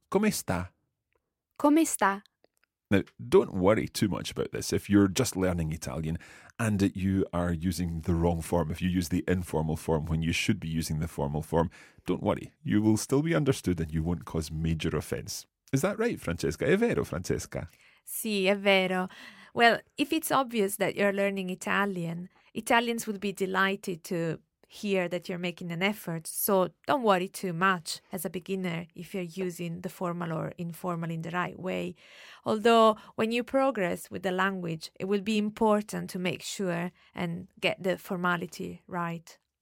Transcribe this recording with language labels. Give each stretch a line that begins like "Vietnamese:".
Italian: Come sta? Come sta?
English: Now, don't worry too much about this if you're just learning Italian and you are using the wrong form. If you use the informal form when you should be using the formal form, don't worry. You will still be understood and you won't cause major offence. Is that right, Francesca?
Italian: È vero, Francesca? Sì, è vero.
English: Well, if it's obvious that you're learning Italian, Italians would be delighted to hear that you're making an effort. So don't worry too much as a beginner if you're using the formal or informal in the right way. Although when you progress with the language, it will be important to make sure and get the formality right.